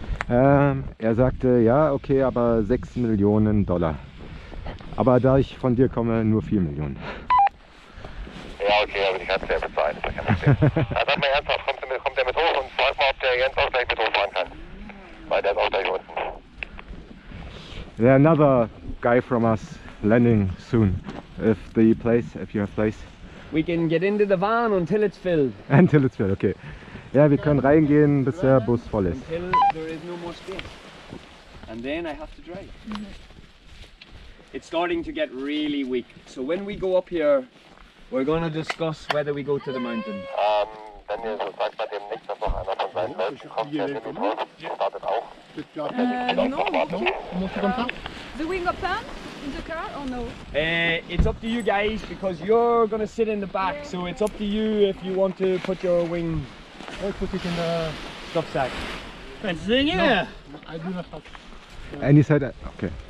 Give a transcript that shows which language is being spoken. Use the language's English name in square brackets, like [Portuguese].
[German] Er sagte, ja, okay, aber 6 Millionen Dollar. Aber da ich von dir komme, nur 4 Millionen. Ja, okay, aber ich kann es sehr bezahlen. Sag mal ernsthaft, kommt der mit hoch und frag mal, ob der Jens auch gleich mit hochfahren kann. Weil der ist auch gleich unten. [English] Another guy from us landing soon. If the place, if you have place. We can get into the van until it's filled. Until it's filled, okay. [German] Ja, wir können reingehen, bis der Bus voll ist. [English] Until there is no more space. And then I have to drive. It's starting to get really weak. So when we go up here, we're going to discuss whether we go to the mountain. [German] Wenn ihr so sagt, bei dem nicht, dass noch einer von seinen Leuten kommt, der mit dem Bus startet auch. [English] The wing up there? In the car or no? It's up to you guys, because you're going to sit in the back. Yeah. So it's up to you if you want to put your wing... Or put it in the stuff sack. Fancy thing, yeah. No, I do not have. And he said, okay.